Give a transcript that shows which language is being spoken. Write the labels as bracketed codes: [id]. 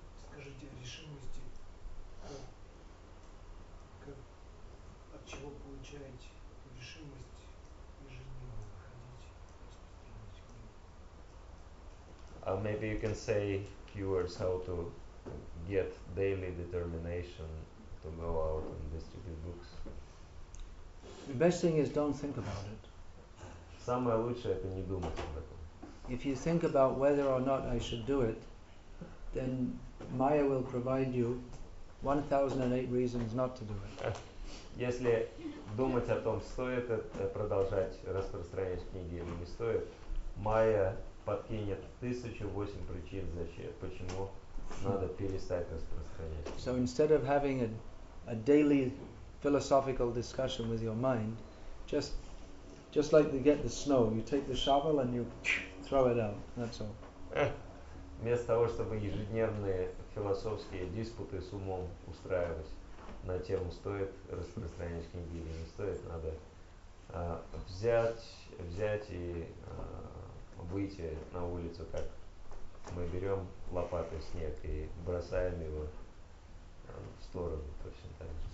[ru] Скажите о решимости, от чего получаете решимость ежедневно выходить, распространять книги. [en] Maybe you can say viewers how to get daily determination to go out and distribute books. The best thing is don't think about it. [ru] Самое лучшее это не думать об этом. [en] If you think about whether or not I should do it, then Maya will provide you 1008 reasons not to do it. [ru] Если думать о том, стоит продолжать распространять книги или не стоит, Maya подкинет 1008 причин, зачем, почему надо перестать распространять. [en] So instead of having a daily philosophical discussion with your mind, just like you get the snow, you take the shovel and you throw it out. That's all. [ru] Вместо того, чтобы ежедневные философские диспуты с умом устраивать на тему, стоит распространять книги или не стоит, надо взять и выйти на улицу, как мы берем лопатой снег и бросаем его в сторону, точно так же.